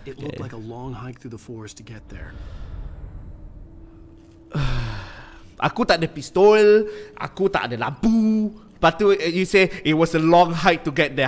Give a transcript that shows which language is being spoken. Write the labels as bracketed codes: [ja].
[en] It looked like a long hike through the forest to get there. [ms] Aku tak ada pistol, aku tak ada lampu. Lepas tu, [en] you say it was a long hike to get there.